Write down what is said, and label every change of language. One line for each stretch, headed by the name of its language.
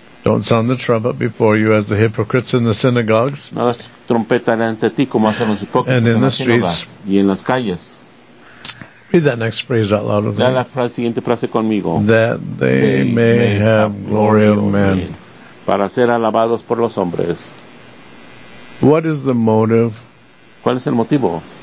English: Don't sound the trumpet before you as the hypocrites in the synagogues.
Spanish: No hagas trompeta delante de ti como hacen los hipócritas.
English: And in the streets.
Spanish: Y en las calles.
English: Read that next phrase out loud with me.
Spanish: La siguiente frase conmigo.
English: That they may have glory of men.
Spanish: Para ser alabados por los hombres.
English: What is the motive?
Spanish: ¿Cuál es el motivo?